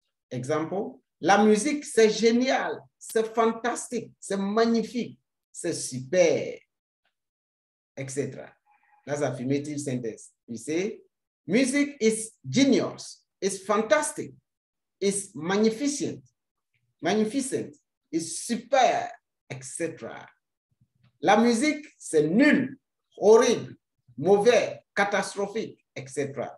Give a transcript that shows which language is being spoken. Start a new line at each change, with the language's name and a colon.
French: Example, la musique, c'est génial, c'est fantastique, c'est magnifique, c'est super, etc.
English: That's affirmative sentence. You see, music is genius, it's fantastic, it's magnificent, magnificent, it's super, etc.
French: La musique, c'est nul, horrible, mauvais, catastrophique, etc.